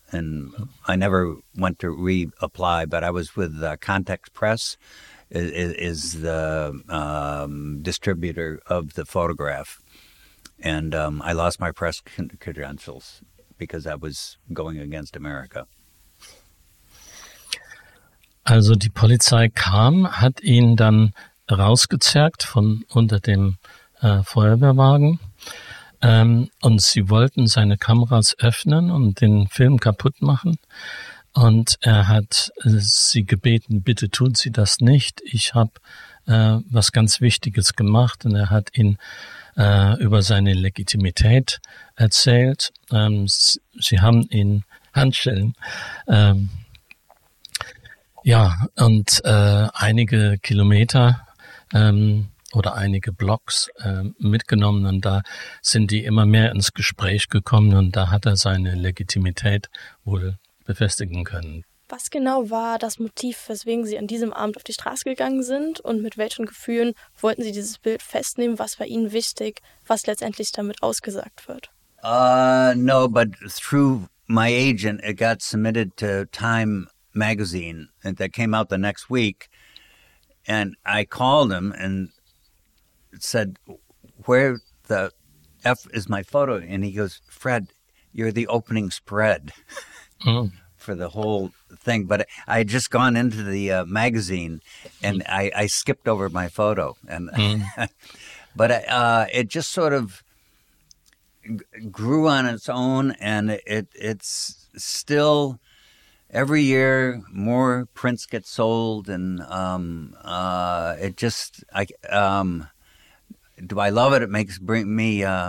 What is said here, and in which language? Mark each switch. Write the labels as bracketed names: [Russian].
[English] And I never went to reapply, but I was with Context Press. Is the distributor of the photograph. And I lost my press credentials because I was going against America. [German] Also die Polizei kam, hat ihn dann rausgezerrt von unter dem Feuerwehrwagen. Und sie wollten seine Kameras öffnen und den Film kaputt machen. Und er hat sie gebeten, bitte tun Sie das nicht. Ich habe was ganz Wichtiges gemacht. Und er hat ihn über seine Legitimität erzählt. Sie haben ihn Handschellen. Und einige Kilometer oder einige Blocks mitgenommen. Und da sind die immer mehr ins Gespräch gekommen. Und da hat er seine Legitimität wohl befestigen können. Was genau war das Motiv, weswegen Sie an diesem Abend auf die Straße gegangen sind und mit welchen Gefühlen wollten Sie dieses Bild festnehmen? Was war Ihnen wichtig, was letztendlich damit ausgesagt wird? [English] No, but through my agent, it got submitted to Time magazine and that came out the next week. And I called him and said, where the F is my photo? And he goes, Fred, you're the opening spread. For the whole thing, but I had just gone into the magazine and I skipped over my photo and but it just sort of grew on its own, and it's still every year more prints get sold, and do I love it? It makes bring me